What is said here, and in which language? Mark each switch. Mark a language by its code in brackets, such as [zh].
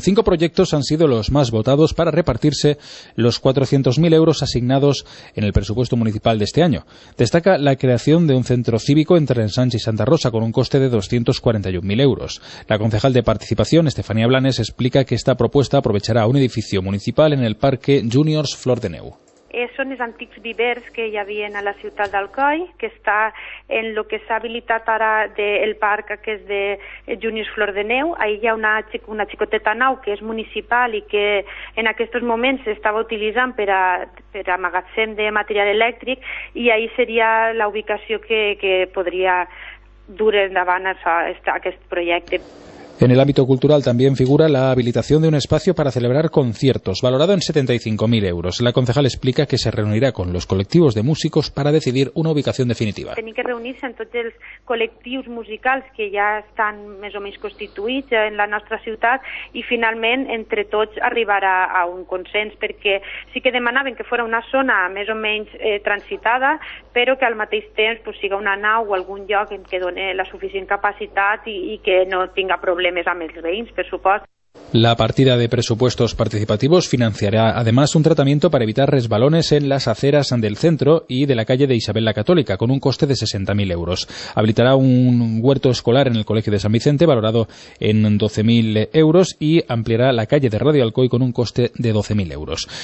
[es] 5 proyectos han sido los más votados para repartirse los 400.000 euros asignados en el presupuesto municipal de este año. Destaca la creación de un centro cívico entre Ensanch y Santa Rosa con un coste de 241.000 euros. La concejal de participación, Estefanía Blanes, explica que esta propuesta aprovechará un edificio municipal en el Parque Juniors Flor de Neu. [ca] Són els antics vivers que hi havia a la ciutat d'Alcoi, que està en el que s'ha habilitat ara del parc, que és de Juniors Flor de Neu. Ahí hi ha una xicoteta nau que és municipal i que en aquests moments s'estava utilitzant per a magatzem de material elèctric, i ahí seria la ubicació que podria dur endavant aquest projecte. [es] En el ámbito cultural también figura la habilitación de un espacio para celebrar conciertos, valorado en 75.000 euros. La concejal explica que se reunirá con los colectivos de músicos para decidir una ubicación definitiva. [ca] Tenim que reunir-se amb tots els col·lectius musicals que ja estan més o menys constituïts en la nostra ciutat i finalment entre tots arribar a un consens, perquè sí que demanaven que fos una zona més o menys transitada, però que al mateix temps pues, siga una nau o algun lloc en què doni la suficient capacitat i que no tinga problemes amb els veïns, per supost. [es] La partida de presupuestos participativos financiará además un tratamiento para evitar resbalones en las aceras del centro y de la calle de Isabel la Católica, con un coste de 60.000 euros. Habilitará un huerto escolar en el Colegio de San Vicente, valorado en 12.000 euros, y ampliará la calle de Radio Alcoy con un coste de 12.000 euros.